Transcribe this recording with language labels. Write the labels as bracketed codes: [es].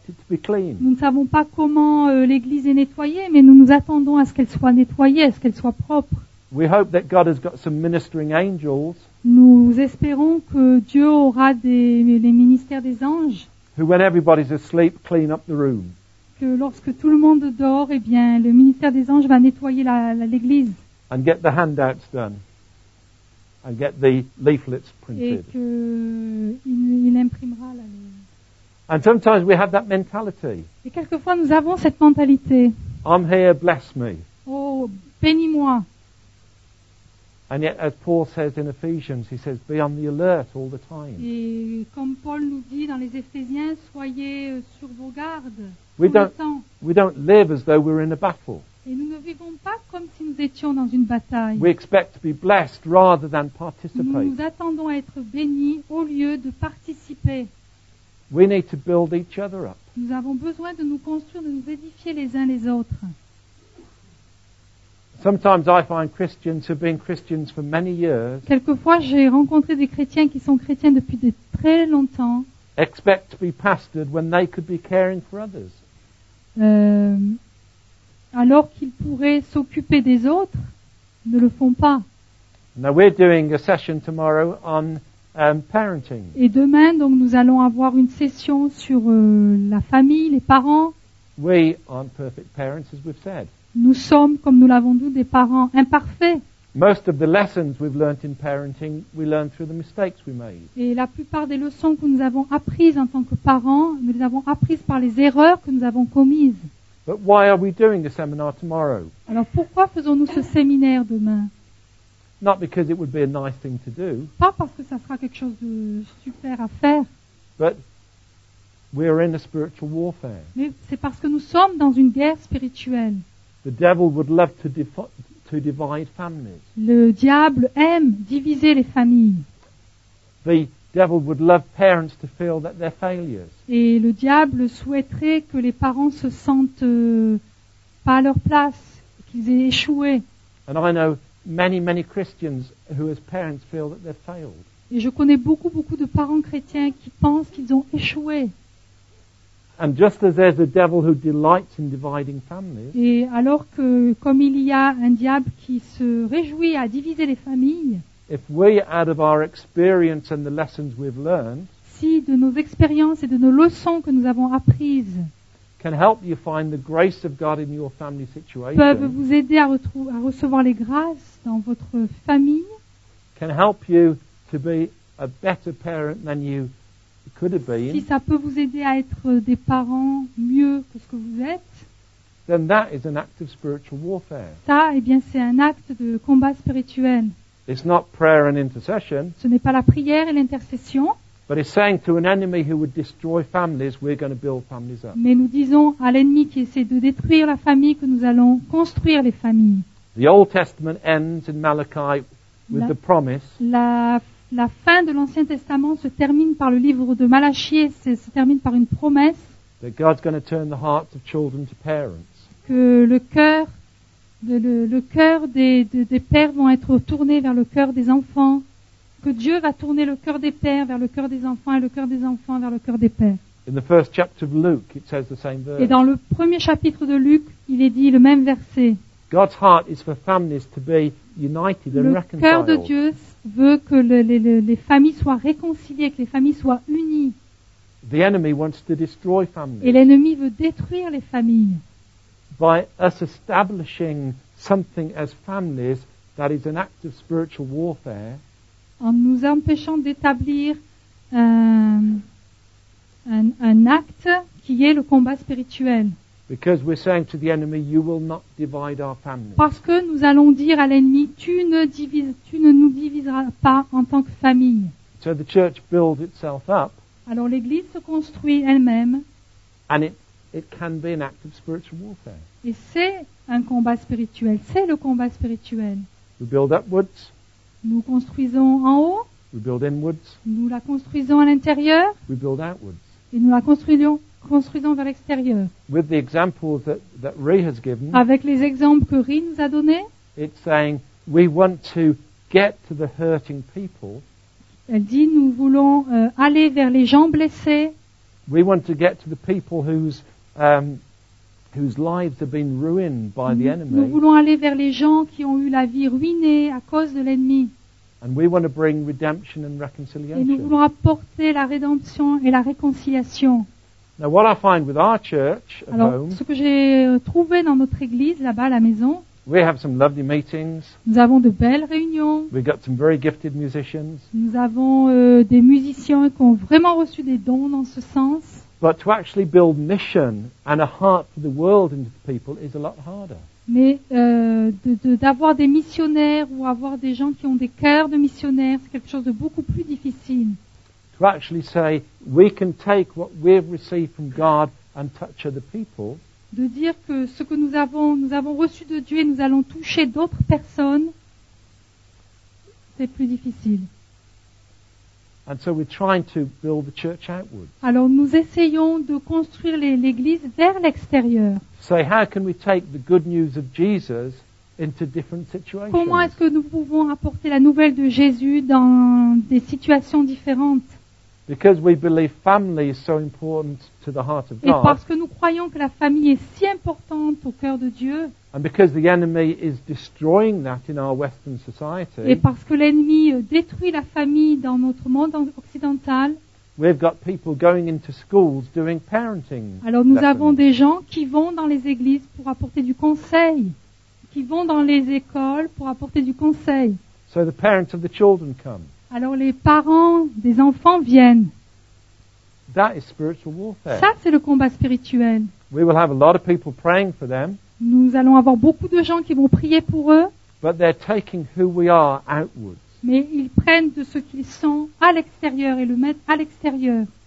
[fr] Nous ne savons pas comment l'église est nettoyée, mais nous nous attendons à ce qu'elle soit nettoyée, à ce qu'elle soit propre. [en] We hope that God has got some ministering angels. [fr] Nous espérons que Dieu aura les ministères des anges. [en] Who, when everybody's asleep, clean up the room. [fr] Que lorsque tout le monde dort, eh bien, le ministère des anges va nettoyer l'église. [en] And get the handouts done. And get the leaflets printed. [fr] Et que il imprimera la. [en] And sometimes we have that mentality. [fr] Et quelquefois nous avons cette mentalité. [en] I'm here, bless me. [fr] Oh, bénis-moi. [en] And yet, as Paul says in Ephesians, he says, be on the alert all the time. [fr] Et comme Paul nous dit dans les Éphésiens, soyez sur vos gardes tout le temps. [en] We don't live as though we're in a battle. [fr] Et nous ne vivons pas comme si nous étions dans une bataille. [en] We expect to be blessed rather than participate. [fr] Nous nous attendons à être bénis au lieu de participer. [en] We need to build each other up. [fr] Nous avons besoin de nous construire, de nous édifier les uns les autres. [en] Sometimes I find Christians who've been Christians for many years. [fr] Quelquefois, j'ai rencontré des chrétiens qui sont chrétiens depuis de très longtemps. [en] Expect to be pastored when they could be caring for others. [fr] Alors qu'ils pourraient s'occuper des autres, ne le font pas. [en] Now we're doing a session tomorrow on parenting. [fr] Et demain, donc, nous allons avoir une session sur la famille, les parents. [en] We aren't perfect parents, as we've said. [fr] Nous sommes, comme nous l'avons dit, des parents imparfaits. [en] Most of the lessons we've learned in parenting, we learn through the mistakes we made. [fr] Et la plupart des leçons que nous avons apprises en tant que parents, nous les avons apprises par les erreurs que nous avons commises. [en] But why are we doing a seminar tomorrow? [fr] Alors pourquoi faisons-nous ce séminaire demain? [en] Not because it would be a nice thing to do. [fr] Pas parce que ça sera quelque chose de super à faire. [en] But we are in a spiritual warfare. [fr] Mais c'est parce que nous sommes dans une guerre spirituelle. [en] The devil would love to divide families. [fr] Le diable aime diviser les familles. [en] the devil would love parents to feel that they're failures. [fr] Et le diable souhaiterait que les parents se sentent pas à leur place, qu'ils aient échoué. [en] And I know many, many Christians who as parents feel that they've failed. [fr] Et je connais beaucoup, beaucoup de parents chrétiens qui pensent qu'ils ont échoué. [en] And just as there's a devil who delights in dividing families. [fr] Et alors que comme il y a un diable qui se réjouit à diviser les familles. [en] If we, out of our experience and the lessons we've learned, [fr] si de nos expériences et de nos leçons que nous avons apprises, [en] can help you find the grace of God in your family situation, [fr] peuvent vous aider à recevoir les grâces dans votre famille, [en] can help you to be a better parent than you could have been, [fr] si ça peut vous aider à être des parents mieux que ce que vous êtes, [en] then that is an act of spiritual warfare. [fr] Ça, eh bien, c'est un acte de combat spirituel. [en] It's not prayer and intercession. [fr] Ce n'est pas la prière et l'intercession. [en] But it's saying to an enemy who would destroy families, we're going to build families up. [fr] Mais nous disons à l'ennemi qui essaie de détruire la famille que nous allons construire les familles. [en] The Old Testament ends in Malachi with the promise. [fr] La fin de l'Ancien Testament se termine par le livre de Malachie, se termine par une promesse. [en] That God's going to turn the hearts of children to parents. [fr] Que le cœur des pères vont être tournés vers le cœur des enfants. Que Dieu va tourner le cœur des pères vers le cœur des enfants et le cœur des enfants vers le cœur des pères. [en] In the first chapter of Luke, it says the same verse. [fr] Et dans le premier chapitre de Luc, il est dit le même verset. [en] God's heart is for families to be united and reconciled. [fr] Le cœur de Dieu veut que les familles soient réconciliées, que les familles soient unies. [en] The enemy wants to destroy families. [fr] Et l'ennemi veut détruire les familles. [en] By us establishing something as families that is an act of spiritual warfare. [fr] En nous empêchant d'établir un acte qui est le combat spirituel. [en] Because we're saying to the enemy, you will not divide our families. [fr] Parce que nous allons dire à l'ennemi, tu ne nous diviseras pas en tant que famille. [en] So the church builds itself up. [fr] Alors l'église se construit elle-même. [en] And it can be an act of spiritual warfare. [fr] Et c'est un combat spirituel. C'est le combat spirituel. [en] We build upwards. [fr] Nous construisons en haut. [en] We build inwards. [fr] Nous la construisons à l'intérieur. [en] We build outwards. [fr] Et nous la construisons vers l'extérieur. [en] With the examples that Ree has given, [fr] avec les exemples que Ree nous a donnés, [en] it's saying we want to get to the hurting people. [fr] Elle dit nous voulons aller vers les gens blessés. [en] We want to get to the people whose lives have been ruined by the enemy. [fr] Nous voulons aller vers les gens qui ont eu la vie ruinée à cause de l'ennemi. [en] And we want to bring redemption and reconciliation. [fr] Et nous voulons apporter la rédemption et la réconciliation. [en] Now what I find with our church at [fr] Alors, [en] home, [fr] ce que j'ai trouvé dans notre église là-bas à la maison, [en] we have some lovely meetings. [fr] Nous avons de belles réunions. [en] We've got some very gifted musicians. [fr] Nous avons des musiciens qui ont vraiment reçu des dons dans ce sens. [en] But to actually build mission and a heart for the world into the people is a lot harder. [fr] Mais d'avoir des missionnaires ou avoir des gens qui ont des cœurs de missionnaires, c'est quelque chose de beaucoup plus difficile. [en] To actually say we can take what we've received from God and touch other people. [fr] De dire que ce que nous avons reçu de Dieu et nous allons toucher d'autres personnes, c'est plus difficile. [en] And so we're trying to build the church outward. [fr] Alors nous essayons de construire l'église vers l'extérieur. [en] So how can we take the good news of Jesus into different situations? [fr] Comment est-ce que nous pouvons apporter la nouvelle de Jésus dans des situations différentes? [en] Because we believe family is so important to the heart of God. [fr] Et parce que nous croyons que la famille est si importante au cœur de Dieu. [en] And because the enemy is destroying that in our Western society. [fr] Et parce que l'ennemi détruit la famille dans notre monde occidental. [en] We've got people going into schools doing parenting. [fr] Alors nous avons des gens qui vont dans les églises pour apporter du conseil, qui vont dans les écoles pour apporter du conseil. [en] So the parents of the children come. [fr] Alors les parents des enfants viennent. [en] That is spiritual warfare. [fr] Ça c'est le combat spirituel. [en] We will have a lot of people praying for them. [fr] Nous allons avoir beaucoup de gens qui vont prier pour eux. [en] But they're taking who we are outwards. [fr] Mais ils prennent de ce qu'ils sont à l'extérieur et le mettent à l'extérieur.